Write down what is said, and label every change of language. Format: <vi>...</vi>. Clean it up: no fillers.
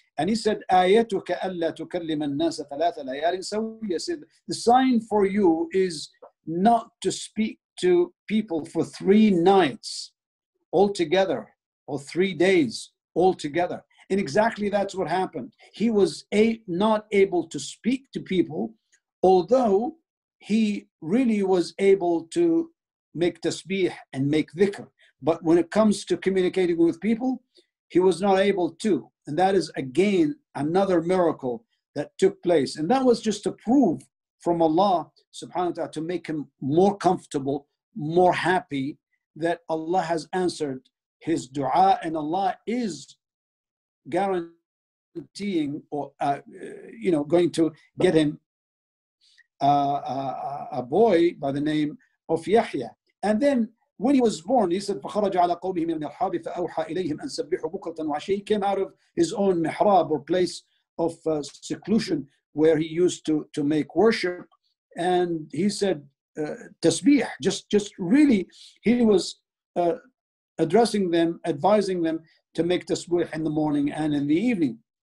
<en>And he said,</en> <ar>آيَتُكَ أَلَّا تُكَلِّمَ النَّاسَ ثَلَاثَ لَيَالٍ سَوِيَّ.</ar> <en>He said, the sign for you is not to speak to people for 3 nights altogether, or 3 days altogether. And exactly that's what happened. He was not able to speak to people, although he really was able to make tasbih and make dhikr. But when it comes to communicating with people, he was not able to. And that is, again, another miracle that took place. And that was just to prove from Allah subhanahu wa ta'ala, to make him more comfortable, more happy, that Allah has answered his dua, and Allah is guaranteeing going to get him a boy by the name of Yahya. And then when he was born, he said,</en> <ar>فَخَرَجَ عَلَى قَوْمِهِ مِنْ مِحْرَابِ فَأَوْحَى إِلَيْهِمْ أَنْ سَبِّحُوا بُكْرَةً وَعَشِيًّا.</ar> <en>He came out of his own mihrab, or place of seclusion, where he used to make worship. And he said, tasbih, just really, he was addressing them, advising them to make tasbih in the morning and in the evening.</en>